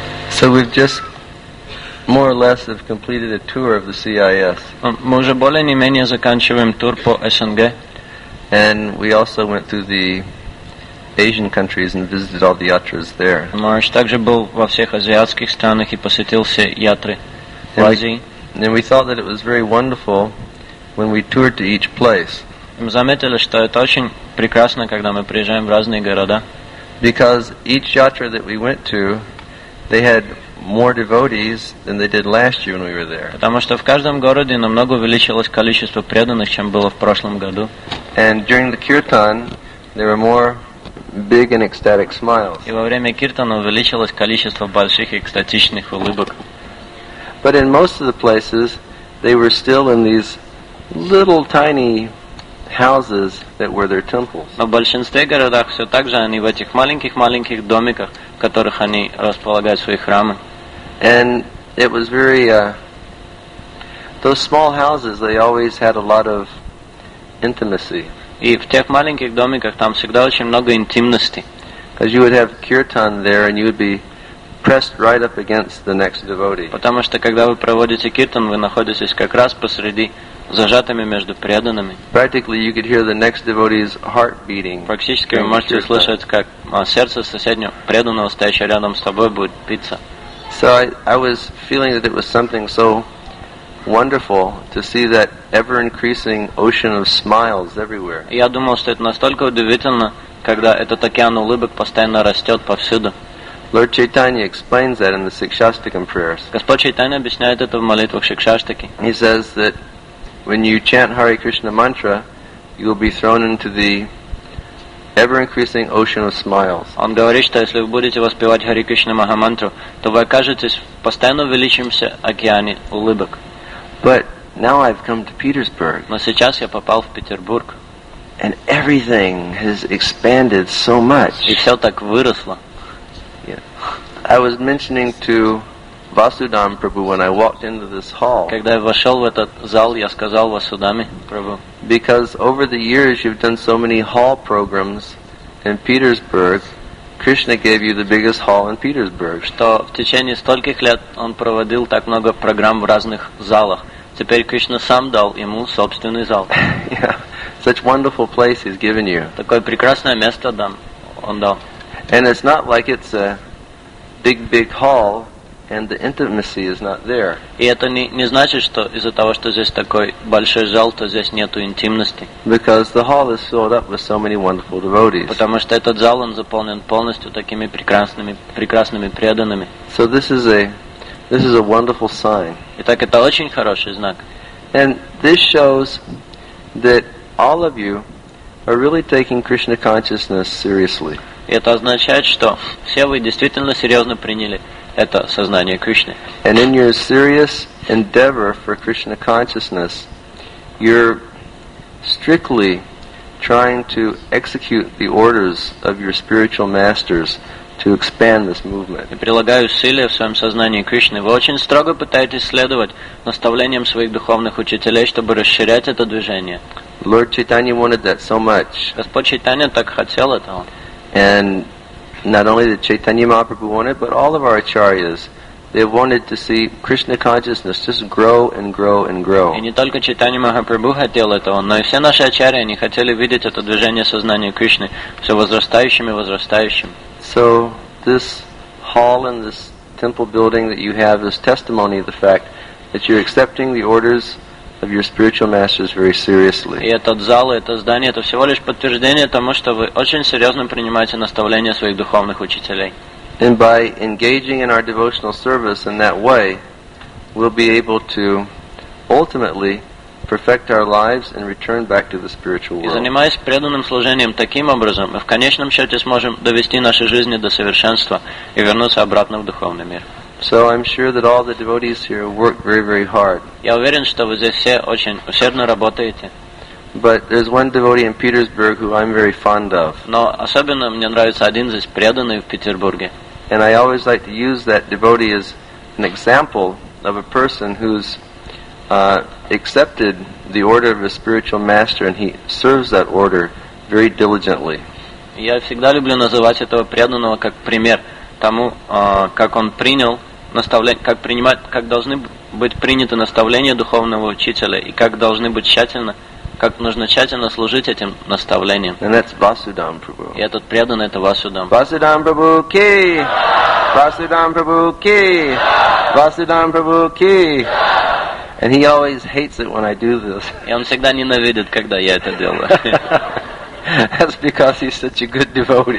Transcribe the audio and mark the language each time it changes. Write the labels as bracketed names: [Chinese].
[English] So we've just more or less have completed a tour of the CIS. [Russian] Мы уже более не менее заканчиваем тур по СНГ. [English] And we also went through the Asian countries and visited all the yatras there. [Russian] Марш также был во всех азиатских странах и посетил все ятры в Азии. [English] And we thought that it was very wonderful when we toured to each place. [Russian] Мы заметили, что это очень прекрасно, когда мы приезжаем в разные города. [English] Because each yatra that we went to, they had more devotees than they did last year when we were there. [Russian] Потому что в каждом городе намного увеличилось количество преданных, чем было в прошлом году. [English] And during the kirtan, there were more big and ecstatic smiles. [Russian] И во время киртана увеличилось количество больших экстатичных улыбок. [English] But in most of the places, they were still in these little tiny houses that were their temples. [Russian] Но в большинстве городах все так же они в этих маленьких домиках, в которых они располагают свои храмы. [English] And it was very those small houses. They always had a lot of intimacy. [Russian] И в тех маленьких домиках там всегда очень много интимности. [English] Because you would have kirtan there, and you would be pressed right up against the next devotee. [Russian] Потому что когда вы проводите киртан, вы находитесь как раз посреди зажатыми между преданными. [English] Practically, you could hear the next devotee's heart beating. [Russian] Практически вы можете услышать, как сердце соседнего преданного, стоящего рядом с тобой, будет биться. [English] So I was feeling that it was something so wonderful to see that ever increasing ocean of smiles everywhere. [Russian] Я думал, что это настолько удивительно, когда этот океан улыбок постоянно растет повсюду. [English] Lord Chaitanya explains that in the Sikshastakam prayers. [Russian] Господь Чайтанья объясняет это в молитвах Шикшаштаки. [English] He says that when you chant Hare Krishna mantra, you will be thrown into the ever-increasing ocean of smiles. [Russian] Он говорит, что если вы будете воспевать Hare Krishna Mahamantra, то вы окажетесь в постоянно увеличившемся океане улыбок. [English] But now I've come to Petersburg. [Russian] Но сейчас я попал в Петербург. [English] And everything has expanded so much. [Russian] И все так выросло. [English] I was mentioning to Vasudam Prabhu when I walked into this hall. [Russian] Когда я вошел в этот зал, я сказал Васудаме Прабху. [English] Because over the years you've done so many hall programs in Petersburg, Krishna gave you the biggest hall in Petersburg. [Russian] Что в течение стольких лет он проводил так много программ в разных залах. Теперь Кришна сам дал ему собственный зал. [English] Yeah, such wonderful place he's given you. [Russian] Такое прекрасное место он дал. [English] And it's not like it's a big, big hall, and the intimacy is not there. [Russian] И это не значит, что из-за того, что здесь такой большой зал, то здесь нету интимности. [English] Because the hall is filled up with so many wonderful devotees. [Russian] Потому что этот зал он заполнен полностью такими прекрасными преданными. [English] So this is a wonderful sign. [Russian] Итак, это очень хороший знак. [English] And this shows that all of you are really taking Krishna consciousness seriously. [Russian] Это означает, что все вы действительно серьезно приняли это сознание Кришны. [English] And in your serious endeavor for Krishna consciousness, you're strictly trying to execute the orders of your spiritual masters to expand this movement. [Russian] И прилагая усилия в своем сознании Кришны, вы очень строго пытаетесь следовать наставлениям своих духовных учителей, чтобы расширять это движение. [English] Lord Chaitanya wanted that so much. [Russian] Господь Чайтанья так хотел этого. [English] And not only did Chaitanya Mahaprabhu want it, but all of our acharyas, they wanted to see Krishna consciousness just grow and grow and grow. [Russian] И не только Чайтанья Махапрабху хотел этого, но и все наши ачарьи, они хотели видеть это движение сознания Кришны все возрастающим и возрастающим. [English] So this hall and this temple building that you have is testimony of the fact that you're accepting the orders of your spiritual masters very seriously. [Russian] И этот зал, это здание, это всего лишь подтверждение тому, что вы очень серьезно принимаете наставления своих духовных учителей. [English] And by engaging in our devotional service in that way, we'll be able to ultimately perfect our lives and return back to the spiritual world. [Russian] И занимаясь преданным служением таким образом, мы в конечном счете сможем довести наши жизни до совершенства и вернуться обратно в духовный мир. [English] So I'm sure that all the devotees here work very, very hard. [Russian] Я уверен, что вы здесь все очень усердно работаете. [English] But there's one devotee in Petersburg who I'm very fond of. [Russian] Но особенно мне нравится один здесь преданный в Петербурге. [English] And I always like to use that devotee as an example of a person who's accepted the order of a spiritual master and he serves that order very diligently. [Russian] Я всегда люблю называть этого преданного как пример тому, как он принял наставление, как принимать, как должны быть приняты наставления духовного учителя и как должны быть тщательно, как нужно тщательно служить этим наставлениям. [English] And that's Vasudam Prabhu. [Russian] И этот преданный это Vasudam. [English] Vasudam Prabhu ki. Vasudam Prabhu ki. Vasudam Prabhu ki. And he always hates it when I do this. [Russian] И он всегда ненавидит, когда я это делаю. [English] That's because he's such a good devotee.